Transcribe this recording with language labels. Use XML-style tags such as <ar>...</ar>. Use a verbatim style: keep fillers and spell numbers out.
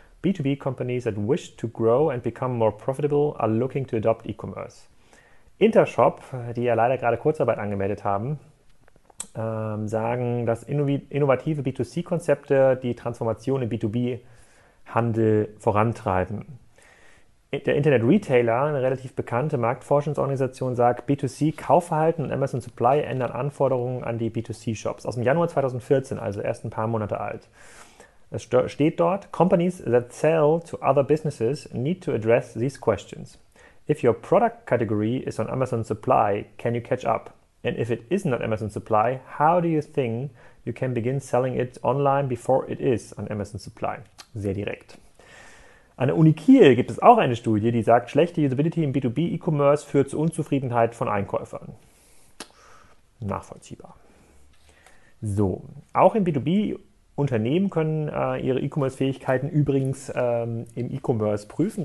<en>B zwei B companies that wish to grow and become more profitable are looking to adopt e-commerce.</en> <de>Intershop, die ja leider gerade Kurzarbeit angemeldet haben, ähm, sagen, dass innovative B zwei C Konzepte die Transformation im B zwei B Handel vorantreiben. Der Internet-Retailer, eine relativ bekannte Marktforschungsorganisation, sagt, B zwei C Kaufverhalten und Amazon Supply ändern Anforderungen an die B zwei C Shops. Aus dem Januar zweitausendvierzehn, also erst ein paar Monate alt. Es steht dort,</de> <en>Companies that sell to other businesses need to address these questions. If your product category is on Amazon Supply, can you catch up? And if it isn't on Amazon Supply, how do you think you can begin selling it online before it is on Amazon Supply?</en> <de>Sehr direkt. An der Uni Kiel gibt es auch eine Studie, die sagt, schlechte Usability im B zwei B E-Commerce führt zu Unzufriedenheit von Einkäufern. Nachvollziehbar. So, auch im B zwei B Unternehmen können äh, ihre E-Commerce-Fähigkeiten übrigens ähm, im E-Commerce prüfen.</de>